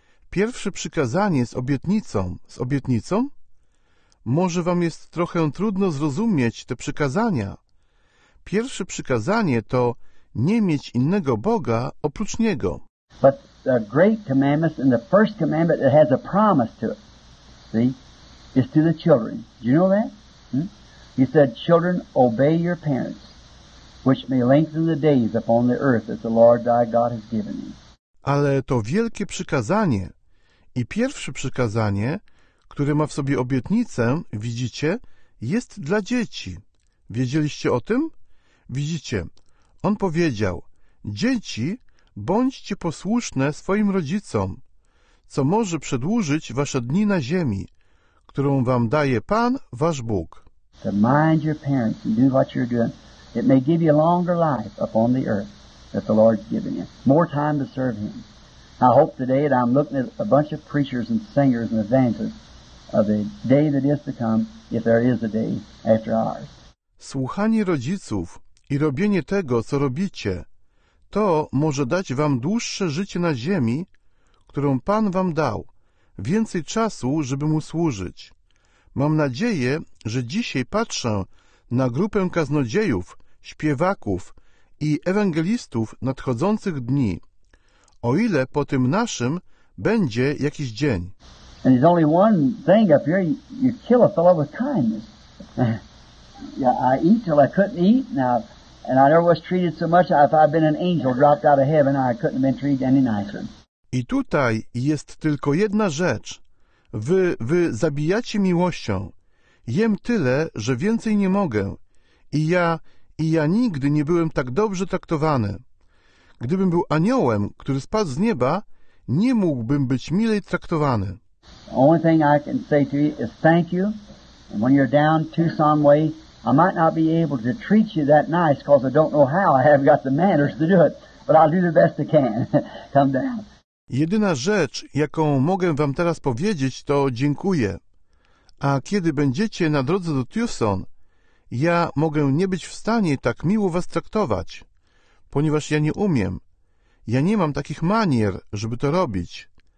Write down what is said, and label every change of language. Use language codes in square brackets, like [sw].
[pl] Pierwsze przykazanie z obietnicą? Może wam jest trochę trudno zrozumieć te przykazania. Pierwsze przykazanie to nie mieć innego Boga oprócz Niego. [en] But the great commandments and the first commandment that has a promise to it, see, is to the children. Do you know that? He said, children, obey your parents, which may lengthen the days upon the earth that the Lord thy God has given you. [pl] Ale to wielkie przykazanie. I pierwsze przykazanie, które ma w sobie obietnicę, widzicie, jest dla dzieci. Wiedzieliście o tym? Widzicie, on powiedział, dzieci, bądźcie posłuszne swoim rodzicom, co może przedłużyć wasze dni na ziemi, którą wam daje Pan, wasz Bóg. [en] To mind your parents and do what you're doing. It may give you a longer life upon the earth that the Lord's given you. More time to serve Him. I hope today that I'm looking at a bunch of preachers and singers and evangelists of the day that is to come, if there is a day after ours. [pl] Słuchanie rodziców i robienie tego, co robicie, to może dać wam dłuższe życie na ziemi, którą Pan wam dał, więcej czasu, żeby mu służyć. Mam nadzieję, że dzisiaj patrzę na grupę kaznodziejów, śpiewaków i ewangelistów nadchodzących dni. O ile po tym naszym będzie jakiś dzień. [en] And there's only one thing up here, you kill a fellow with kindness. I eat till I couldn't eat, and I never was treated so much, if I'd been an angel dropped out of heaven, I couldn't have been treated any nicer. [pl] I tutaj jest tylko jedna rzecz. Wy zabijacie miłością. Jem tyle, że więcej nie mogę. I ja nigdy nie byłem tak dobrze traktowany. Gdybym był aniołem, który spadł z nieba, nie mógłbym być milej traktowany. [en] The only thing I can say to you is thank you. And when you're down Tucson way, I might not be able to treat you that nice because I don't know how. I haven't got the manners to do it. But I'll do the best I can. Come down. [pl] Jedyna rzecz, jaką mogę wam teraz powiedzieć, to dziękuję. A kiedy będziecie na drodze do Tucson, ja mogę nie być w stanie tak miło was traktować. Ponieważ ja nie umiem. Ja nie mam takich manier, żeby to robić.